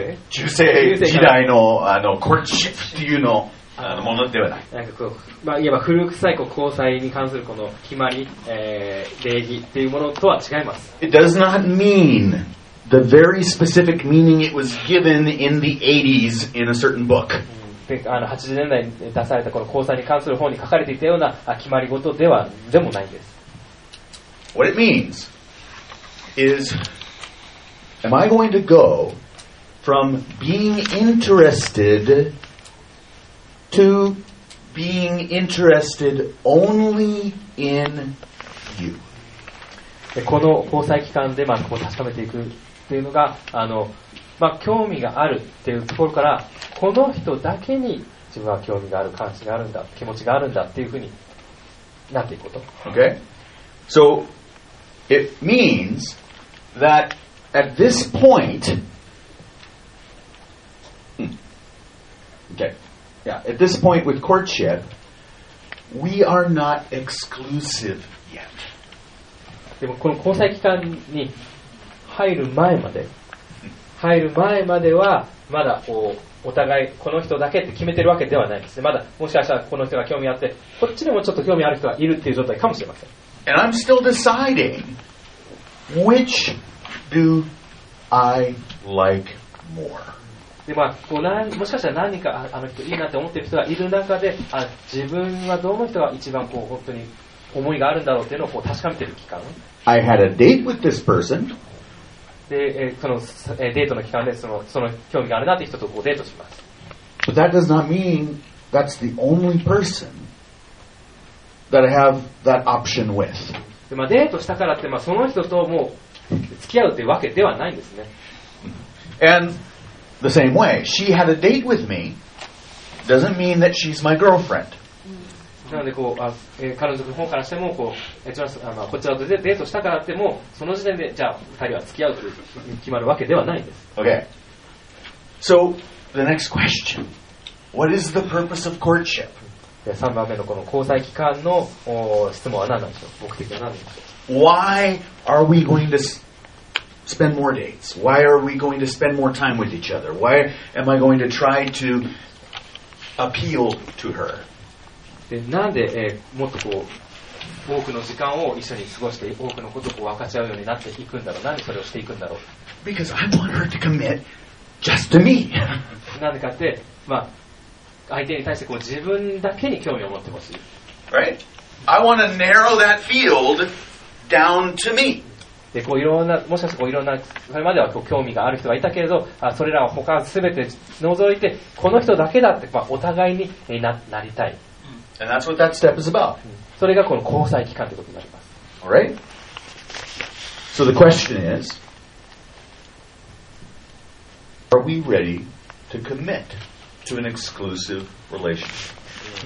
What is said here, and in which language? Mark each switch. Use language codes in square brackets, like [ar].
[ja] 中世時代の courtship っていうのものではない。なんかこう、まあ、いわば古臭いこう交際に関するこの決まり、礼儀っていうものとは違います。 [en] It does not mean. The very specific meaning it was given in the 80s in a certain book. [ja] 80年代に出されたこの交際に関する本に書かれていたような決まり事ではでもないんです。 [en] What it means is, am I going to go from being interested to being interested only in you? [ja] この交際期間でまあ確かめていくっていうのがまあ、興味があるっていうところからこの人だけに自分は興味がある関心があるんだ気持ちがあるんだっていうふうになっていくこと [en] Okay. So it means that at this point Okay. Yeah. At this point with courtship we are not exclusive yet [ja] でもこの交際期間に入る前まで、入る前まではまだこうお互いこの人だけって決めてるわけではないですね。まだもしかしたらこの人が興味あって、こっちでもちょっと興味ある人がいるっていう状態かもしれません。 [en] And I'm still deciding which do I like more。 [ja] でまあ、こう何もしかしたら何かあの人いいなって思ってる人がいる中で、あ自分はどの人が一番こう本当に思いがあるんだろうっていうのをこう確かめてる期間。 [en] I had a date with this person. [ja] で、その、デートの期間でその興味があるなって人とこうデートします。 [en] But that does not mean that's the only person that I have that option with. [ja] で、まあ、デートしたからって、まあ、その人ともう付き合うってわけではないんですね。 [en] And the same way, she had a date with me doesn't mean that she's my girlfriend. [ja] なのでこう、あ、彼女の方からしてもこう、こちらとデートしたからってもその時点でじゃあ二人は付き合うという決まるわけではないんです。 [en] Okay. So the next question: What is the purpose of courtship? [ja] 3番目のこの交際期間の質問は何なんでしょう。目的は何なんでしょう。 [en] Why are we going to spend more dates? Why are we going to spend more time with each other? Why am I going to try to appeal to her? [ja] でなんで、もっとこう多くの時間を一緒に過ごして多くのことをこう分かち合うようになっていくんだろう、なんでそれをしていくんだろう。 [en] Because I want her to commit just to me. [ja] なんでかって、まあ、相手に対してこう自分だけに興味を持ってほしい。 [en] Right? I want to narrow that field down to me. [ja] でこういろんな、もしかしたらこういろんな、それまではこう興味がある人がいたけれど、あそれらを他は全て除いてこの人だけだって、まあ、お互いに なりたい。 [en] And that's what that step is about. [ja] それがこの交際期間ということになります。 [en] All right? So the question is, are we ready to commit to an exclusive relationship?